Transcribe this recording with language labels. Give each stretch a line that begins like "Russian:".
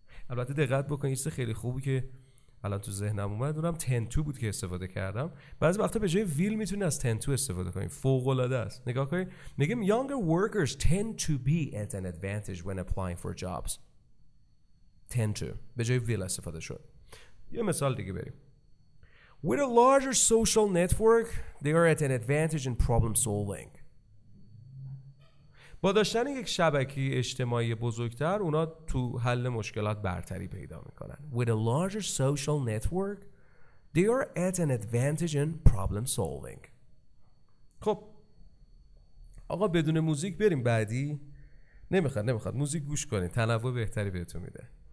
Persian: البته دقت بکن یه چیز خیلی خوبی که الان تو ذهنم اومد، اونم تنتو بود که استفاده کردم. بعضی وقتا به جای ویل میتونی از تنتو استفاده کنی، فوق العاده است. نگاه کنید، میگم
English: younger workers tend to be at an advantage when applying for jobs.
Persian: tend to به جای ویل استفاده شد. یه مثال دیگه بریم.
English: With a larger social network, they are at an advantage in problem solving.
Persian: با داشتن یک شبکه اجتماعی بزرگتر، اونا تو حل مشکلات برتری پیدا میکنن.
English: With a larger social network, they are at an advantage in problem solving.
Persian: خب آقا بدون موزیک بریم بعدی. نمیخواد موزیک گوش کنی، تنوع بهتری بهتون میده.